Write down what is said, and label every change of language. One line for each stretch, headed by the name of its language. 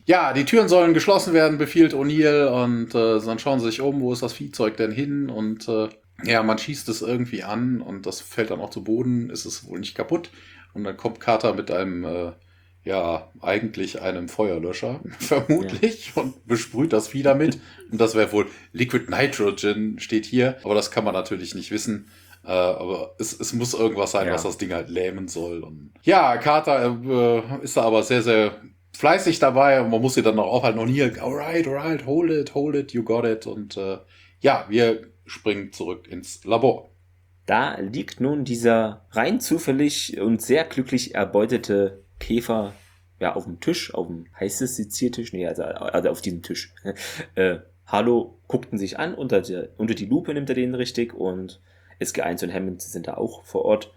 German: Ja, die Türen sollen geschlossen werden, befiehlt O'Neill und dann schauen sie sich um, wo ist das Viehzeug denn hin und man schießt es irgendwie an und das fällt dann auch zu Boden, ist es wohl nicht kaputt und dann kommt Carter mit einem eigentlich einem Feuerlöscher, vermutlich, und besprüht das Vieh damit. Und das wäre wohl Liquid Nitrogen, steht hier. Aber das kann man natürlich nicht wissen. Aber es muss irgendwas sein, was das Ding halt lähmen soll. Und ja, Carter ist da aber sehr, sehr fleißig dabei. Und man muss sie dann noch aufhalten. Und hier,
English: alright, hold it, you got it.
German: Und wir springen zurück ins Labor. Da liegt nun dieser rein zufällig und sehr glücklich erbeutete Käfer, auf dem Tisch, heißt es Seziertisch? Nee, also auf diesem Tisch. Harlow guckt ihn sich an, unter die Lupe nimmt er den richtig und SG1 und Hammond sind da auch vor Ort.